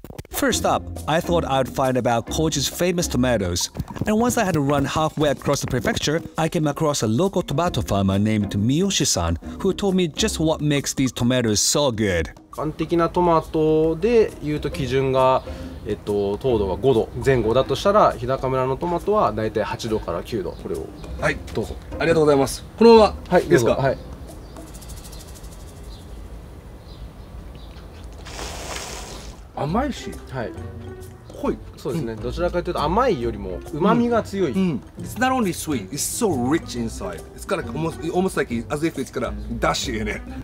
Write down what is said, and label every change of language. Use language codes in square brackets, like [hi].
[en] First up, I thought I'd find about Kochi's famous tomatoes. And once I had to run halfway across the prefecture, I came across a local tomato farmer named Miyoshi-san, who told me just what makes these tomatoes so good. [ja] 完璧なトマトで言うと基準が、糖度が5度前後だとしたら日高村のトマトは大体8度から9度これをはいどうぞありがとうございますこのままはいですかはい甘いし濃いそうですねどちらかというと甘いよりも旨味が強い [en] It's not only sweet, it's so rich inside. It's kind of almost like as if it's kind of dashi in it.